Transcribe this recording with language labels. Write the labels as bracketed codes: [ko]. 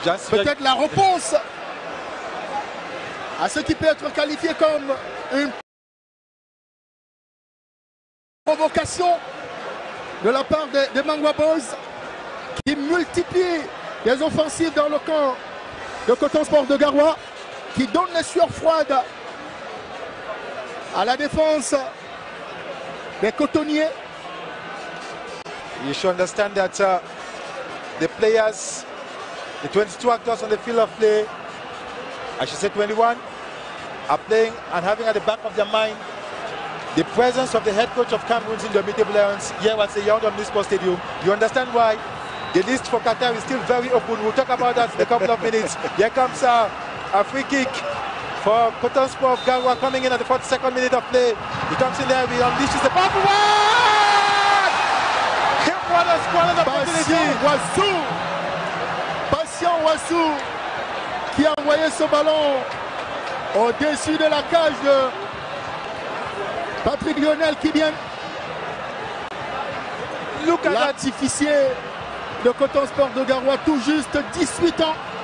[fr] Peut-être la réponse à ce qui peut être qualifié comme une provocation de la part des Mangwa Boys qui multiplient les offensives dans le camp de Coton Sport de Garoua, qui donne les sueurs froides à la défense des cotonniers. [en] You should understand that the players, the 22 actors on the field of play, I should say 21, are playing and having at the back of their mind the presence of the head coach of Cameroon's Indomitable Lions here at the Yaoundé Municipal Stadium. You understand why the list for Qatar is still very open. We'll talk about that in a couple of minutes. Here comes a free kick for Coton Sport of Garoua coming in at the 42nd minute of play. He comes in there, he unleashes the ball for one! Here for the scoring opportunity. [fr] Patient Wassou, qui a envoyé ce ballon au-dessus de la cage de Patrick Lionel Kibien. [en] Look at [fr] l'artificier de Coton Sport de Garoua, tout juste 18 ans.